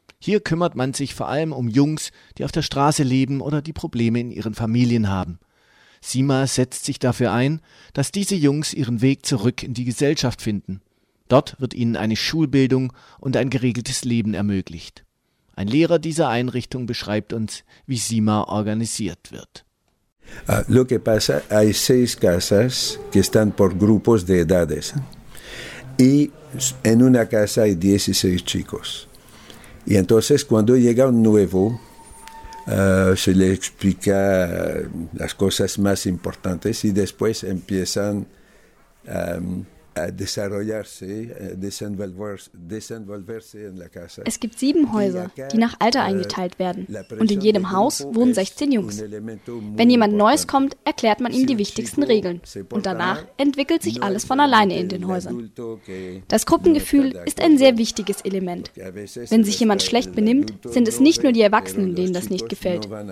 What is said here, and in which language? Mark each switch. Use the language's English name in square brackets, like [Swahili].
[German] Hier kümmert man sich vor allem um Jungs, die auf der Straße leben oder die Probleme in ihren Familien haben. CIMA setzt sich dafür ein, dass diese Jungs ihren Weg zurück in die Gesellschaft finden. Dort wird ihnen eine Schulbildung und ein geregeltes Leben ermöglicht. Ein Lehrer dieser Einrichtung beschreibt uns, wie CIMA organisiert wird. [Spanish] Lo que pasa, hay seis casas que están por grupos de edades. Y en una casa hay 16 chicos. Y entonces cuando llega un nuevo, se le explica las cosas más importantes y después empiezan a desarrollarse, desenvolverse en la casa. [German] Es gibt 7 Häuser, die nach Alter eingeteilt werden. Und in jedem Haus wohnen 16 Jungs. Wenn jemand Neues kommt, erklärt man ihm die wichtigsten Regeln. Und danach entwickelt sich alles von alleine in den Häusern. Das Gruppengefühl ist ein sehr wichtiges Element. Wenn sich jemand schlecht benimmt, sind es nicht nur die Erwachsenen, denen das nicht gefällt.